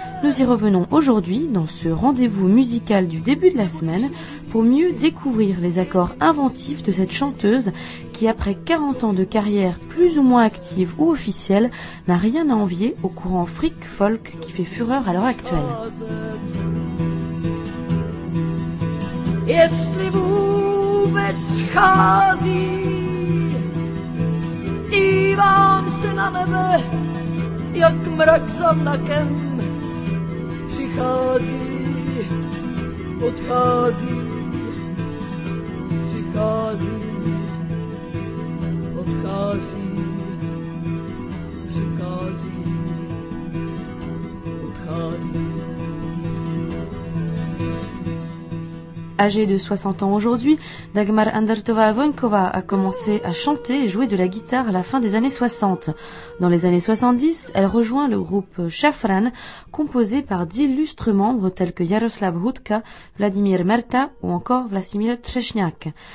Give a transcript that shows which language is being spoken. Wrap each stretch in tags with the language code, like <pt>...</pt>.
<fr>Nous y revenons aujourd'hui dans ce rendez-vous musical du début de la semaine pour mieux découvrir les accords inventifs de cette chanteuse qui, après 40 ans de carrière plus ou moins active ou officielle, n'a rien à envier au courant freak folk qui fait fureur à l'heure actuelle.</fr> <cs>Jestli vůbec schází, dívám se na nebe, jak mrak za mrakem přichází, odchází, přichází, odchází, přichází, odchází.</cs> <fr>Âgée de 60 ans aujourd'hui, Dagmar Andertová Voňková a commencé à chanter et jouer de la guitare à la fin des années 60. Dans les années 70, elle rejoint le groupe Šafrán, composé par d'illustres membres tels que Jaroslav Hudka, Vladimír Merta ou encore Vlastimil Třešňák.</fr>